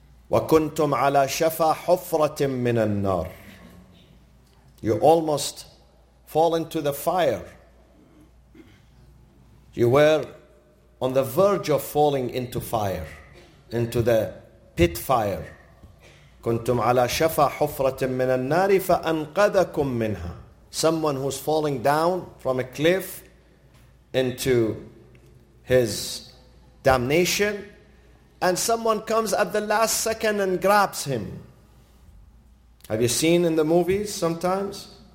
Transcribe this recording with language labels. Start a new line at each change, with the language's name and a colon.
Arabic: وَكُنْتُمْ عَلَى شَفَى حُفْرَةٍ مِّنَ النَّارِ.
English: You almost fall into the fire. You were on the verge of falling into fire, into the pit fire.
Arabic: كنتم على شفا حفرة من النار فأنقذكم منها.
English: Someone who's falling down from a cliff into his damnation, and someone comes at the last second and grabs him. Have you seen in the movies sometimes?